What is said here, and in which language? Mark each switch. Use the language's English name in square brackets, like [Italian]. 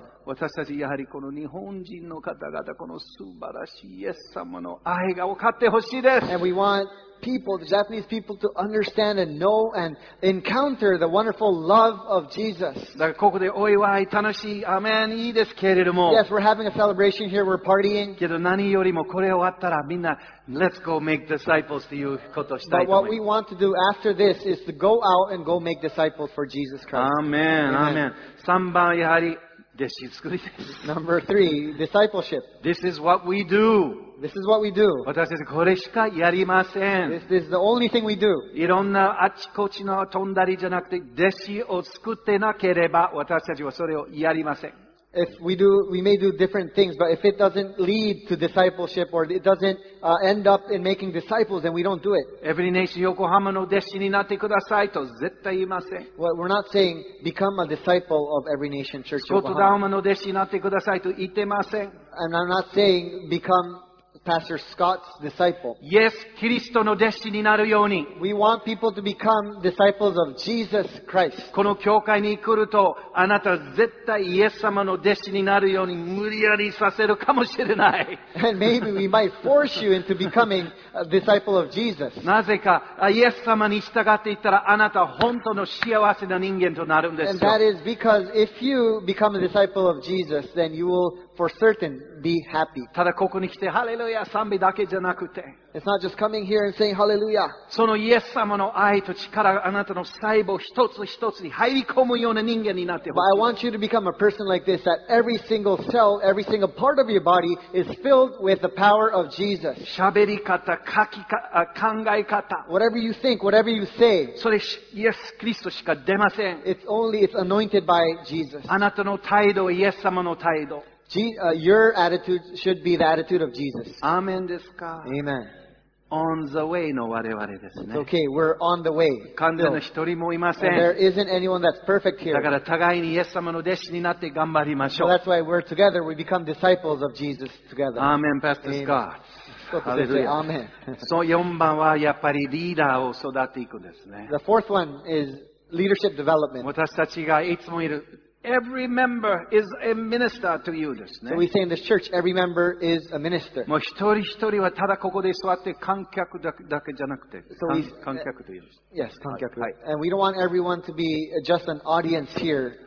[Japanese] 私たちやはりこの日本人の方々、この素晴らしいイエス様の愛が分かってほしいです。 [English] And we want. People, the Japanese people to understand and know and encounter the wonderful love of Jesus. [Japanese] だからここでお祝い楽しい、アメン、いいですけれども。 [English] Yes, we're having a celebration here, we're partying. [Japanese] けど何よりもこれ終わったらみんな、 [English] Let's go make disciples [Japanese] ということをしたいと思います。 [English] But what we want to do after this is to go out and go make disciples for Jesus Christ. [Japanese] アメン、アメン。三番やはり、弟子作りです。 [English] Number three, discipleship. This is what we do. This is what we do. [Japanese] 私たちこれしかやりません。 [English] This is the only thing we do. [Japanese] いろんなあちこちの飛んだりじゃなくて、弟子を作ってなければ私たちはそれをやりません。 [English] If we do, we may do different things, but if it doesn't lead to discipleship or it doesn't end up in making disciples, then we don't do it. [Japanese] Every nation, Yokohama の弟子になってくださいと絶対言いません。 [English] Well, we're not saying become a disciple of every nation church. [Japanese] スコットダウマの弟子になってくださいと言ってません。 [English] And I'm not saying becomePastor Scott's disciple. [Japanese] Yes, キリストの弟子になるように。 [English] We want people to become disciples of Jesus Christ. [Japanese] この教会に来ると、あなた絶対イエス様の弟子になるように無理やりさせるかもしれない。 [English] And maybe we might force you into becoming a disciple of Jesus. [Japanese] なぜか、イエス様に従っていったらあなた本当の幸せな人間となるんですよ。 [English] And that is because if you become a disciple of Jesus, then you will for certain be happy. [Japanese] ただここに来て、ハレルヤ賛美だけじゃなくて。 [English] It's not just coming here and saying hallelujah. [Japanese] そのイエス様の愛と力があなたの細胞一つ一つに入り込むような人間になってほしい。 [English] But I want you to become a person like this, that every single cell, every single part of your body is filled with the power of Jesus. [Japanese] 喋り方、書き方、考え方。 [English] Whatever you think, whatever you say. [Japanese] それイエス・キリストしか出ません。 [English] It's anointed by Jesus. [Japanese] あなたの態度はイエス様の態度。 [English] Your attitude should be the attitude of Jesus. [Japanese] Amen ですか? [English] Amen. On the way [Japanese] の我々ですね。 [English] It's okay, we're on the way. [Japanese] 完全な一人もいません。 [English] And there isn't anyone that's perfect here. [Japanese] だから互いにイエス様の弟子になって頑張りましょう。 [English] So that's why we're together. We become disciples of Jesus together. Amen, Pastor Scott. Amen. [Japanese] そう、4番はやっぱりリーダーを育っていくんですね。 [English] The fourth one is leadership development. [Japanese] 私たちがいつもいる。 [English] Every member is a minister to you ですね。 So we say in this church, every member is a minister. [Japanese] もう一人一人はただここで座って観客だけじゃなくて、 [English] so、 [Japanese] 観客と言います。 [English] Yes, 観客。はい。And we don't want everyone to be just an audience here.